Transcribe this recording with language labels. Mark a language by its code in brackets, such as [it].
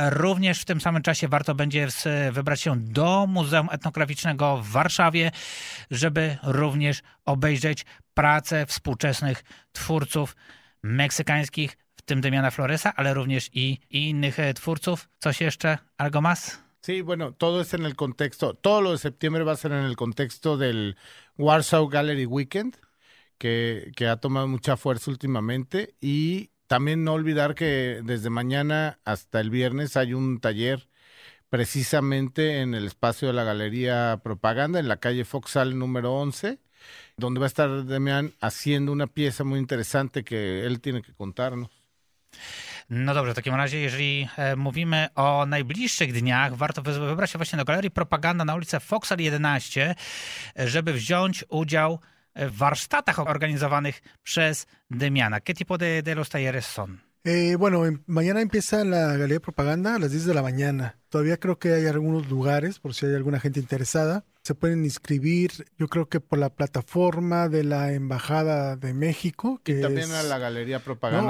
[pl] Również w tym samym czasie warto będzie wybrać się do Muzeum Etnograficznego w Warszawie, żeby również obejrzeć prace współczesnych twórców meksykańskich, w tym Damiana Floresa, ale również i innych twórców. Coś jeszcze? [es] Algo más? Sí, bueno, todo es en el contexto, todo lo de septiembre va a ser en el contexto del Warsaw Gallery Weekend, que ha tomado mucha fuerza últimamente, y también no olvidar que desde mañana hasta el viernes hay un taller precisamente en el espacio de la Galería Propaganda, en la calle Foxal número 11, donde va a estar Damian haciendo una pieza muy interesante que él tiene que contarnos. [pl] No dobrze, w takim razie, jeżeli mówimy o najbliższych dniach, warto wybrać się właśnie do Galerii Propaganda na ulicę Foxal 11, żeby wziąć udział w warsztatach organizowanych przez Damiana. [es] ¿Qué tipo de los talleres son? Bueno, mañana empieza la Galería Propaganda a las 10 de la mañana. Todavía creo que hay algunos lugares, por si hay alguna gente interesada. Se pueden inscribir, yo creo que por la plataforma de la Embajada de México. Que y también es, a la Galería Propaganda.